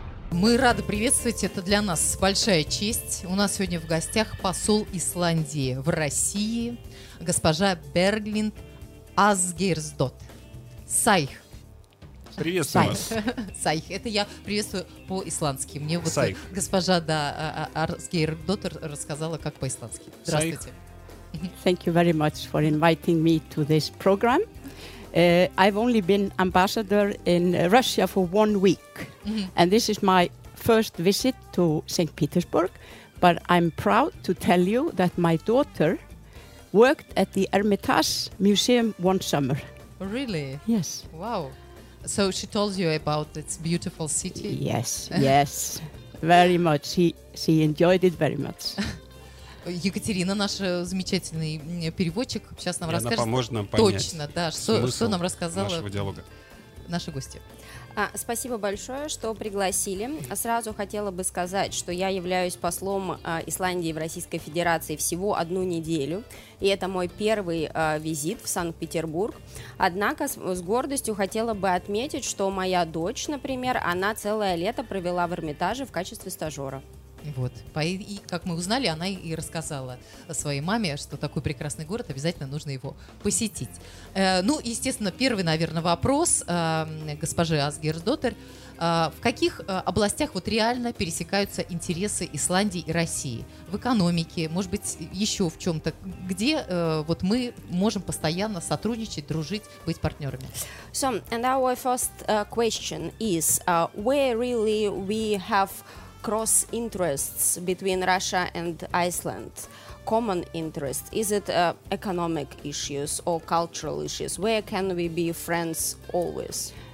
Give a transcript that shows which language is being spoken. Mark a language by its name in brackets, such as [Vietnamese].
[Russian] Мы рады приветствовать, это для нас большая честь. У нас сегодня в гостях посол Исландии в России, госпожа Берглинд Асгейрсдот. Сайх. Приветствую вас. Сайх, это я приветствую по-исландски. Мне вот Сайх. Госпожа да, Асгейрсдот рассказала, как по-исландски. Здравствуйте. [English] Thank you very much for inviting me to this program. I've only been ambassador in Russia for 1 week, and this is my first visit to St. Petersburg, but I'm proud to tell you that my daughter worked at the Hermitage Museum one summer. Really? Yes. Wow. So she told you about its beautiful city? Yes, yes, very much. She enjoyed it very much. [Russian] Екатерина, наш замечательный переводчик, сейчас нам и расскажет. Она поможет нам точно, понять, да, что нам рассказала нашего диалога. Наши гости. Спасибо большое, что пригласили. Сразу хотела бы сказать, что я являюсь послом Исландии в Российской Федерации всего 1 неделю, и это мой первый визит в Санкт-Петербург. Однако с гордостью хотела бы отметить, что моя дочь, например, она целое лето провела в Эрмитаже в качестве стажера. Вот, и как мы узнали, она и рассказала своей маме, что такой прекрасный город, обязательно нужно его посетить. Ну, естественно, первый, наверное, вопрос госпожи Асгейрсдоттер. В каких областях вот реально пересекаются интересы Исландии и России? В экономике, может быть, еще в чем-то? Где вот мы можем постоянно сотрудничать, дружить, быть партнерами? [English] So, and our first question is, where really we have cross interests between Russia and Iceland, common interests? Is it economic issues or cultural issues? Where can we be friends always?